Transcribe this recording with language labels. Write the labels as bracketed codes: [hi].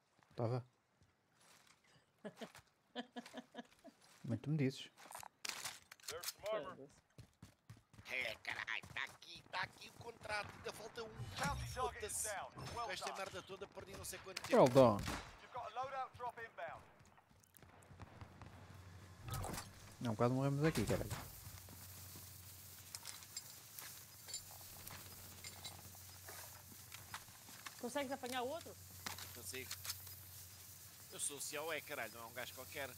[pt] Estava? Mas tu me dizes. [en] There's some armor. [pt] É, caralho, está aqui o contrato, ainda falta um. Foda-se. Com esta merda toda perdi não sei quanto tempo. [en] Well done. You've got a loadout drop inbound. [pt] Não, quase morremos aqui, caralho. Consegues apanhar outro? Consigo. Eu sou o CEO, é caralho, não é um gajo qualquer.